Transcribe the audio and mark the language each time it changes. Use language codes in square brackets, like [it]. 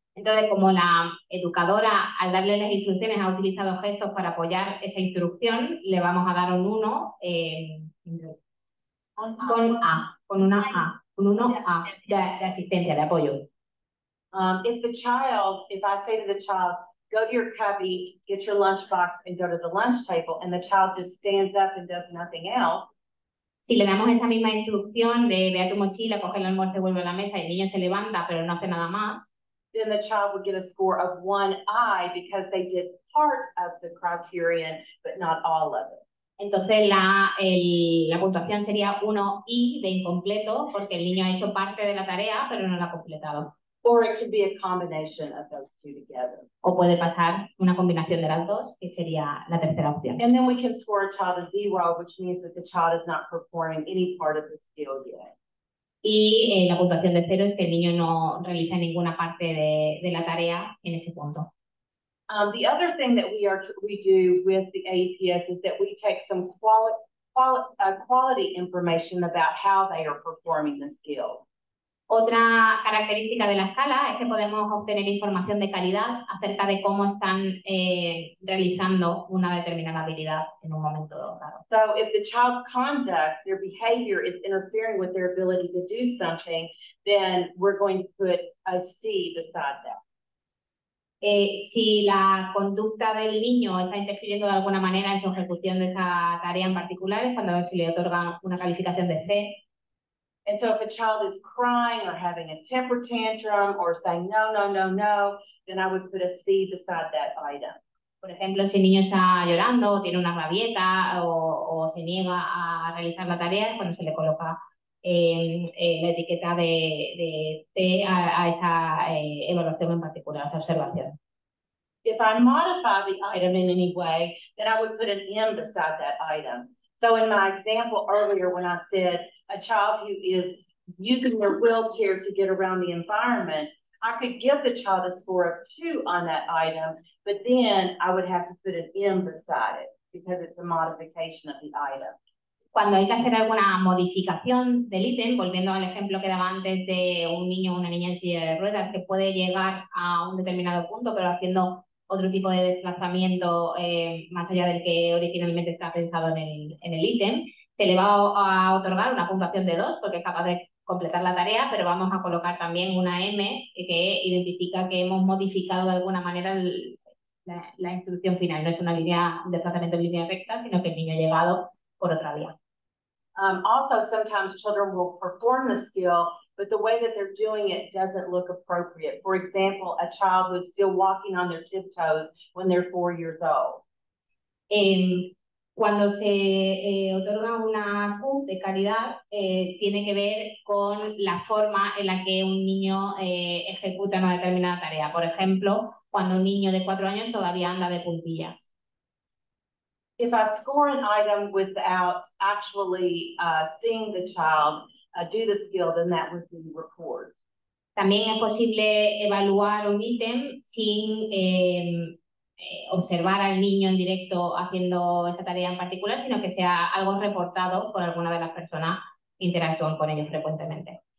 [es] Entonces, como la educadora, al darle las instrucciones, ha utilizado gestos para apoyar esa instrucción, le vamos a dar un 1 con un 1 de asistencia, de apoyo. [en] If I say to the child, go to your cubby, get your lunchbox, and go to the lunch table, and the child just stands up and does nothing else, [es] si le damos esa misma instrucción de ve a tu mochila, coge el almuerzo y vuelve a la mesa, y el niño se levanta, pero no hace nada más, [en] then the child would get a score of 1 I because they did part of the criterion, but not all of it. [es] Entonces la puntuación sería 1 I de incompleto porque el niño ha hecho parte de la tarea, pero no la ha completado. [en] Or it could be a combination of those two together. [es] O puede pasar una combinación de las dos, que sería la tercera opción. [en] And then we can score a child a 0, which means that the child is not performing any part of the skill yet. [es] Y la puntuación de cero es que el niño no realiza ninguna parte de la tarea en ese punto. [en] The other thing that we do with the AEPs is that we take some quality information about how they are performing the skill. [es] Otra característica de la escala es que podemos obtener información de calidad acerca de cómo están realizando una determinada habilidad en un momento dado. [en] So if the child's conduct, their behavior is interfering with their ability to do something, then we're going to put a C beside that. [es] Si la conducta del niño está interfiriendo de alguna manera en su ejecución de esa tarea en particular, es cuando se le otorga una calificación de C. [en] And so if a child is crying or having a temper tantrum or saying no, no, no, no, then I would put a C beside that item. [es] Por ejemplo, si el niño está llorando o tiene una rabieta o se niega a realizar la tarea, bueno, se le coloca la etiqueta de C a esa evaluación en particular, esa observación. [en] If I modify the item in any way, then I would put an M beside that item. So in my example earlier when I said a child who is using their wheelchair to get around the environment, I could give the child a score of 2 on that item, but then I would have to put an M beside it because it's a modification of the item. [es] Cuando hay que hacer alguna modificación del ítem, volviendo al ejemplo que daba antes de un niño o una niña en silla de ruedas, que puede llegar a un determinado punto, pero haciendo otro tipo de desplazamiento más allá del que originalmente está pensado en el ítem, se le va a otorgar una puntuación de 2 porque es capaz de completar la tarea, pero vamos a colocar también una M que identifica que hemos modificado de alguna manera la instrucción final. No es una línea de desplazamiento en línea recta, sino que el niño ha llegado por otra vía. [en] Also, sometimes children will perform the skill, but the way that they're doing it doesn't look appropriate. For example, a child who's still walking on their tiptoes when they're 4 years old. [es] Cuando se otorga una Q de calidad, tiene que ver con la forma en la que un niño ejecuta una determinada tarea. Por ejemplo, cuando un niño de 4 años todavía anda de puntillas. [en] If I score an item without actually seeing the child do the skill, then that would be record. [es] También es posible evaluar un ítem sin observar al niño en directo haciendo esa tarea en particular, sino que sea algo reportado por alguna de las personas que interactúan con ellos frecuentemente.